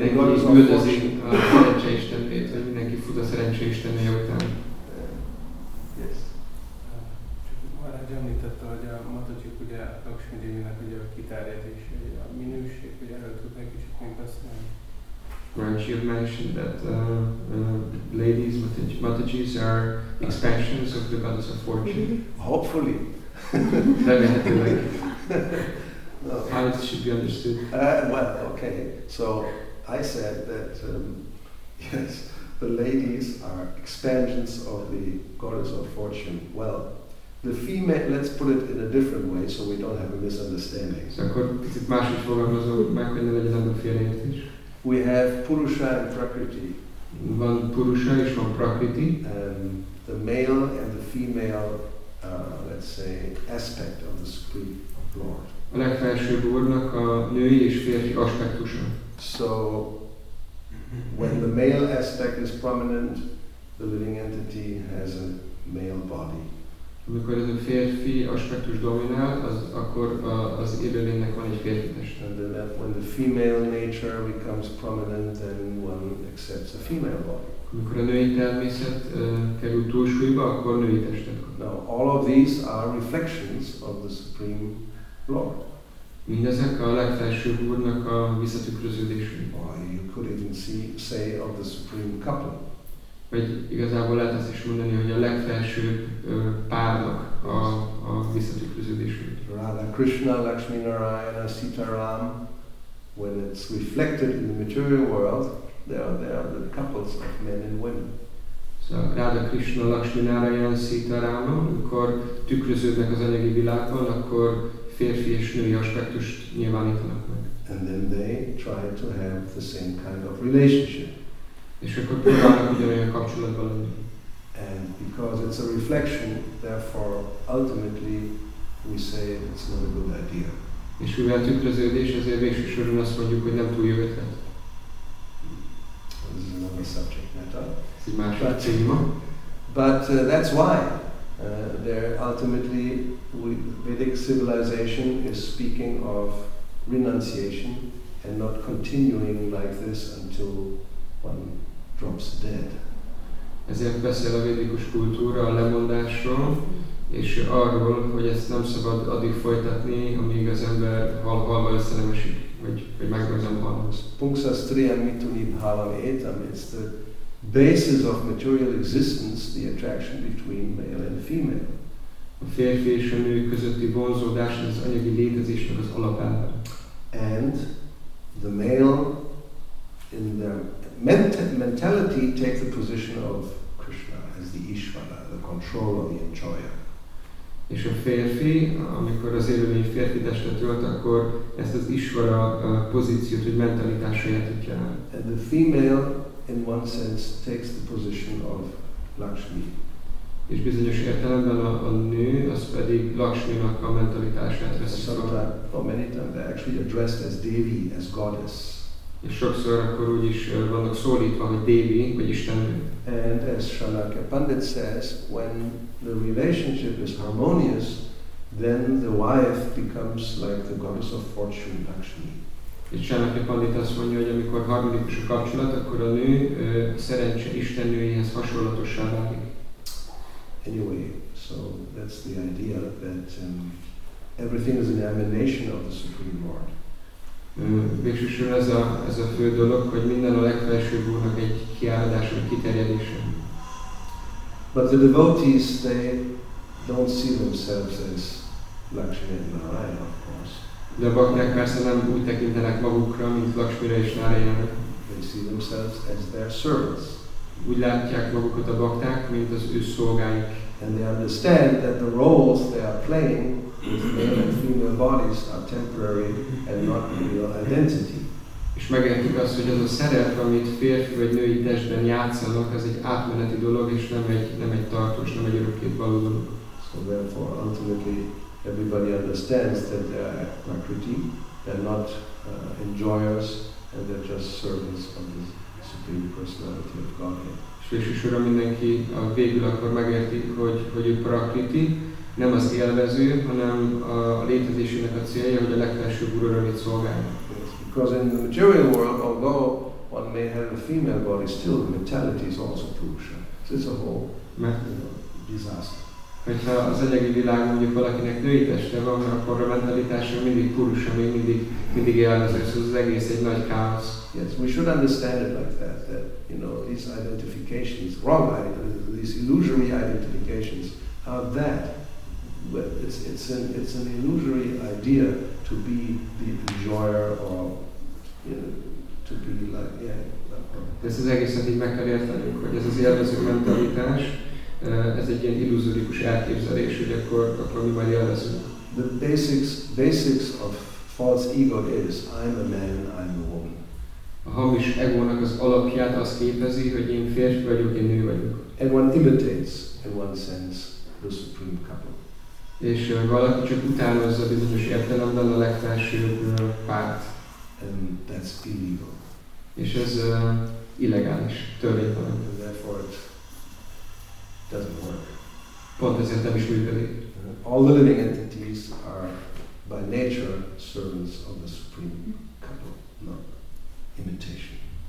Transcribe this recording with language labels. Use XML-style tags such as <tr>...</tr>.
<en>the goddess of</en> <hu>üldözi fortune. A szerencse istenét, vagy mindenki fut a szerencse istenéje után.</hu> <en>Yes.</en> <hu>Maharaj említette, hogy a Matatyuk ugye a Lakshmi Devinek ugye a kiterjedés, a minőség, ugye erről tud egy kicsit még beszélni.</hu> <en>Right, you have mentioned that ladies, Matajis are expansions of the goddess of fortune. Hopefully. No. How it should be understood. Okay. So I said that, yes, the ladies are expansions of the goddess of fortune. Well, The female, let's put it in a different way, so we don't have a misunderstanding.</en> <hu>Akkor picit máshogy fogalmazom meg, hogy ne legyen ebből félreértés.</hu> <en>We have Purusha and Prakriti.</en> <hu>Van Purusha és van Prakriti.</hu> <en>And the male and the female, let's say, aspect of the Supreme Lord.</en> <hu>A legfelsőbb úrnak a női és férfi aspektusa.</hu> <en>So, when the male aspect is prominent, the living entity has a male body.</en> <hu>Amikor ez a férfi aspektus dominál, az akkor az élőlénynek van egy férfi teste.</hu> <en>And then that when the female nature becomes prominent, then one accepts a female body.</en> <hu>Amikor a női természet kerül túlsúlyba, akkor női testet kap.</hu> <en>Now all of these are reflections of the Supreme Lord.</en> <hu>Mindezek a legfelsőbb úrnak a visszatükröződésű.</hu> <en>Or you could even say of the Supreme Couple.</en> <hu>Vagy igazából lehet azt is mondani, hogy a legfelsőbb párnak a visszatükröződésünk.</hu> <en>Radha Krishna, Lakshmi Narayana, Sita Ram, when it's reflected in the material world, they are the couples of men and women.</en> <hu>Szóval Radha Krishna, Lakshmi Narayana, Sita Ram, amikor tükröződnek az anyagi világban, akkor férfi és női aspektust nyilvánítanak meg.</hu> <en>And then they try to have the same kind of relationship.</en> <hu>És akkor próbálnak ugyanolyan kapcsolatban lenni.</hu> <en>And because it's a reflection, therefore ultimately we say it's not a good idea.</en> <hu>És mivel tükröződés, ezért végső soron azt mondjuk, hogy nem túl jó ötlet.</hu> <en>This is another subject matter.</en> <hu>Ez egy másik téma.</hu> <en>But that's why there ultimately Vedic civilization is speaking of renunciation and not continuing like this until one drops dead.</en> <hu>Ezért beszél a védikus kultúra a lemondásról, és arról, hogy ezt nem szabad addig folytatni, amíg az ember halva össze nem esik, vagy megrögzem halhoz.</hu> <sa>Punksa striya mitunib halam etam,</sa> <en>it's the basis of material existence, the attraction between male and female.</en> <hu>A férfi és a nő közötti vonzódás az anyagi létezésnek az alapelve.</hu> <en>And the male in the mentality takes the position of Krishna as the Ishvara, the controller, the enjoyer.</en> <hu>És a férfi, amikor az élőlény férfi testet ölt, akkor ezt az Ishvara pozíciót, vagy mentalitását adja.</hu> <en>And the female, in one sense, takes the position of Lakshmi.</en> <hu>És bizonyos értelemben a nő, az pedig Lakshminak a mentalitását veszi.</hu> <en>Sometimes, or many times, they're actually addressed as Devi, as goddess.</en> <hu>És sokszor akkor úgy is vannak szólítva, hogy Devi, vagy Istennő.</hu> <en>And as Shalakya Pandit says, when the relationship is harmonious, then the wife becomes like the goddess of fortune, Lakshmi.</en> <hu>És Shalakya Pandit azt mondja, hogy amikor harmonikus a kapcsolat, akkor a nő szerencse Istennőjéhez hasonlatossá válik.</hu> <en>Anyway, so that's the idea that everything is an emanation of the Supreme Lord.</en> <hu>Végsősorban ez a fő dolog, hogy minden a legfelsőbb úrnak egy kiáradása, kiterjedése.</hu> <en>But the devotees, they don't see themselves as Lakshmi and Narayana, of course.</en> <hu>De a bakták persze nem úgy tekintenek magukra, mint Lakshmira és Narayana.</hu> <en>They see themselves as their servants.</en> <hu>Úgy látják magukat a bakták, mint az ő szolgáik.</hu> <en>And they understand that the roles they are playing with male and female bodies are temporary and not real identity.</en> <hu>És megértik azt, hogy az a szerep, amit férfi vagy női testben játszanak, az egy átmeneti dolog, és nem egy tartós, nem egy örökké való dolog.</hu> <en>So therefore, ultimately, everybody understands that they are prakriti, they're not enjoyers, and they're just servants of the Supreme Personality of Godhead.</en> <hu>És végsősorban mindenki a végül akkor megérti, hogy ő prakriti, nem az élvező, hanem a létezésének a célja, hogy a legfelsőbb úr örömét szolgálja.</hu> <en>Yes, because in the material world, although one may have a female body, still the mentality is also Purusha. So it's a whole disaster.</en> <hu>Hogyha az anyagi világ mondjuk valakinek női teste van, akkor a mentalitása mindig Purusha, még mindig élvező, szóval az egész egy nagy káosz.</hu> <en>Yes, we should understand it like that, you know, these identifications, wrong identifications, these illusory identifications, how that it's an illusory idea to be the enjoyer or to be like</en> <hu>ez az egészet így meg kell értenünk, hogy ez az élvező mentalitás, ez egy ilyen illuzórikus elképzelés, hogy akkor mi majd élvezünk.</hu> <en>The basics of false ego is I'm a man, I'm a woman.</en> <hu>A hamis egónak az alapját az képezi, hogy én férfi vagyok, én nő vagyok.</hu> <en>And one imitates, in one sense, the supreme couple.</en> <hu>És valaki csak utánozza bizonyos értelemben a legfelsőbb párt.</hu> <en>And that's illegal.</en> <hu>És ez illegális, törvénytelen.</hu> <en>And therefore it doesn't work.</en> <hu>Pont ezért nem is működik.</hu> <en>All the living entities are by nature servants of the supreme couple, not imitation.</en>